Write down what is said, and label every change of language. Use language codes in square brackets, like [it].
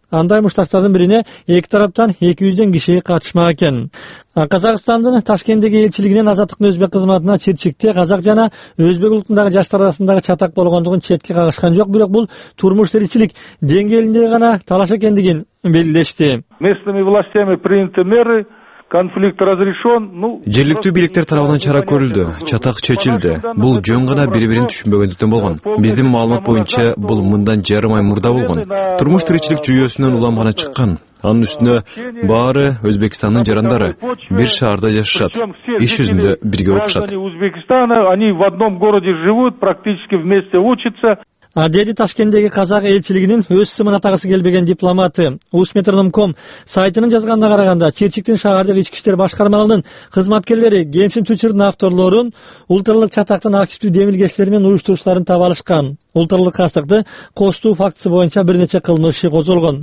[ky] Андай мушташтардын бирине эки тараптан 200 киши катышмак экен. Казакстандын Ташкенттеги элчилигинен азаттыктын өзбек кызматына Чирчикте казак жана өзбек улутундагы жаштар арасындагы чатак болгондугун четке кагышкан жок, бирок бул турмуш тиричилик деңгээлинде гана талаш экендигин белгилешти. [ru] Местными властями приняты меры. Конфликт разрешен. [ky] Жергиликтүү бийликтер тарабынан чара көрүлдү, чатак чечилди. Бул жөн гана бири бирин түшүнбөгөндүктөн болгон. Биздин маалымат боюнча бул мындан жарым ай мурда болгон. Турмуш тиричилик жүйөсүнөн улам гана чыккан. Анын үстүнө баары Өзбекстандын жарандары бир шаарда жашашат, иш жүзүндө бирге окушат. [ru] Они в одном городе живут, практически вместе учатся. [ky] Деди Ташкенттеги казак элчилигинин өз сымын атагысы келбеген дипломаты. Узметроном.com сайтынын жазганына караганда Чирчиктин шаардык ички иштер башкармалыгынын кызматкерлери кемсинтүүчүлөрдүн авторлорун ультралык чатактын активдүү демилгечилери менен уюштуруучуларын таап алышкан. Ультралык кастыкты костуу фактысы боюнча бир нече кылмыш иши козголгон.